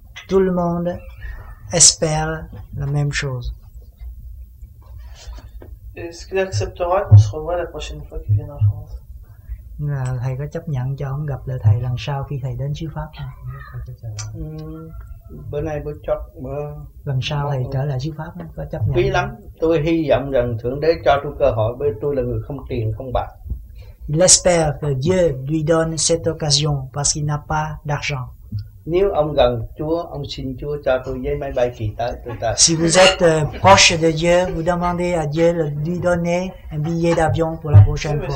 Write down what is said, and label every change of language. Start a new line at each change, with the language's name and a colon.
French: Tout le monde espère la même chose. Est-ce qu'il acceptera qu'on se revoie la prochaine fois qu'il vient en France?
Vietnamese: Là thầy có chấp nhận cho ông gặp lại thầy lần sau khi thầy đến chư Pháp không? Bữa nay bữa chót bữa lần sau thầy trở lại chư Pháp có chấp nhận? Quý lắm, tôi hy vọng rằng Thượng Đế cho tôi cơ hội, bởi tôi là người không tiền không bạc.
French: Il espère que Dieu lui donne cette occasion parce qu'il n'a pas d'argent.
Vietnamese: Nếu ông gần Chúa, ông xin Chúa cho tôi giấy máy bay kỳ tới.
French: Si vous êtes proche de Dieu, vous demandez à Dieu de lui donner un billet d'avion pour la prochaine fois.